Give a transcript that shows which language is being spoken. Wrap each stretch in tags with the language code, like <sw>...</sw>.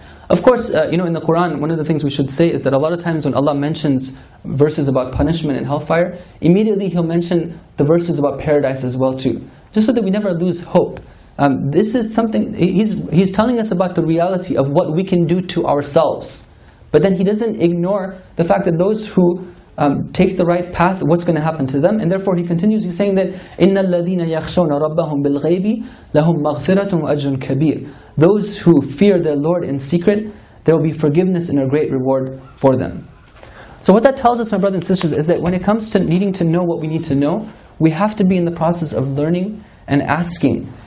<en>Of course, in the Quran, one of the things we should say is that a lot of times when Allah mentions verses about punishment and hellfire, immediately He'll mention the verses about paradise as well too. Just so that we never lose hope. This is something, he's telling us about the reality of what we can do to ourselves. But then he doesn't ignore the fact that those who take the right path, what's going to happen to them. And therefore he continues, he's saying that,</en> <ar>إِنَّ الَّذِينَ يَخْشَوْنَ رَبَّهُمْ بِالْغَيْبِ لَهُمْ مَغْفِرَةٌ وَأَجْرٌ كَبِيرٌ.</ar> <en>Those who fear their Lord in secret, there will be forgiveness and a great reward for them. So what that tells us, my brothers and sisters, is that when it comes to needing to know what we need to know, we have to be in the process of learning and asking.</en>